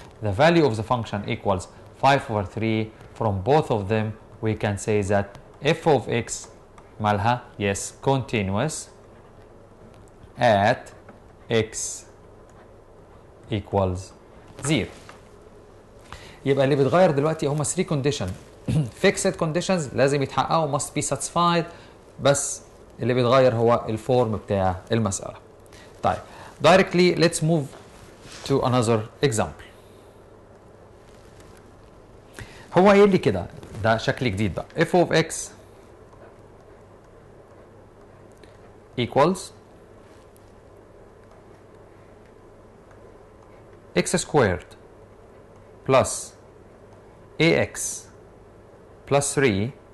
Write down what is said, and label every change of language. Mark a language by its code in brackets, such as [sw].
[en] The value of the function equals 5 over 3. From both of them we can say that f of x [ar] مالها [en] yes continuous at x equals 0. [ar] يبقى اللي بتغير دلوقتي هما 3 condition. [en] Fixed conditions [ar] لازم يتحققوا [en] must be satisfied، [ar] بس اللي بتغير هو الفورم بتاع المسألة. [en] طيب directly let's move to another example. [ar] هو ايه اللي كده؟ ده شكل جديد بقى. [en] f of x equals x squared plus ax plus 3